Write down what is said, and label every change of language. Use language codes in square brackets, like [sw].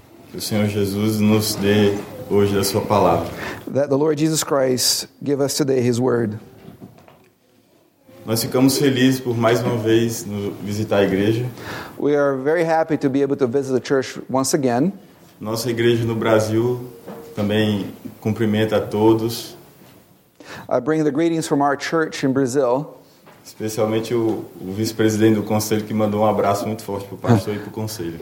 [pt] Que o Senhor Jesus nos dê hoje a sua palavra. [en] That the Lord Jesus Christ give us today his word. [pt] Nós ficamos felizes por mais uma vez visitar a igreja. [en] We are very happy to be able to visit the church once again. [pt] Nossa igreja no Brasil também cumprimenta a todos. [en] I bring the greetings from our church in Brazil. [pt] Especialmente o vice-presidente do conselho que mandou um abraço muito forte para o pastor e para o conselho.